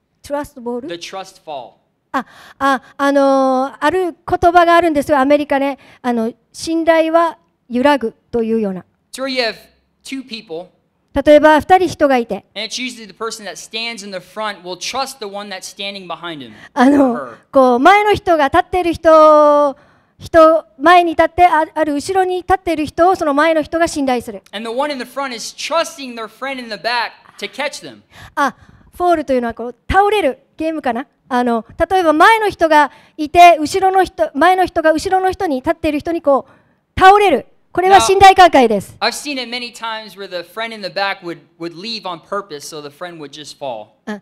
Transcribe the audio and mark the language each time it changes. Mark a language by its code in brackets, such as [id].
[en] Trust fall. The trust fall. [ja] ある言葉があるんですよ。アメリカね、信頼は揺らぐというような。 [en] So you have two people. [ja] 例えば二人人がいて。 [en] And it's usually the person that stands in the front will trust the one that's standing behind him. [ja] こう前の人が立っている人。人前に立ってある後ろに立っている人をその前の人が信頼する。 [en] And the one in the front is trusting their friend in the back to catch them. [ja] フォールというのはこう倒れるゲームかな。例えば前の人がいて後ろの人前の人が後ろの人に立っている人にこう倒れる。これは信頼関係です。 [en] Now, I've seen it many times where the friend in the back would leave on purpose so the friend would just fall.